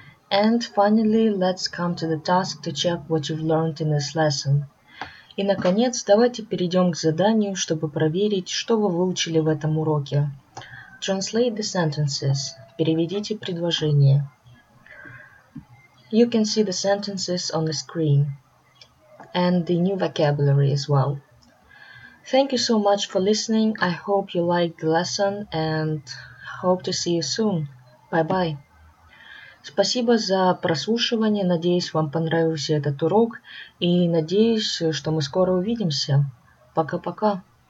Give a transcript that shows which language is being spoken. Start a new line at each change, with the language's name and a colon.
English: And finally, let's come to the task to check what you've learned in this lesson.
Russian: И, наконец, давайте перейдем к заданию, чтобы проверить, что вы выучили в этом уроке.
English: Translate the sentences.
Russian: Переведите предложение.
English: You can see the sentences on the screen. And the new vocabulary as well. Thank you so much for listening. I hope you liked the lesson and hope to see you soon. Bye-bye.
Russian: Спасибо за прослушивание. Надеюсь, вам понравился этот урок. И надеюсь, что мы скоро увидимся. Пока-пока.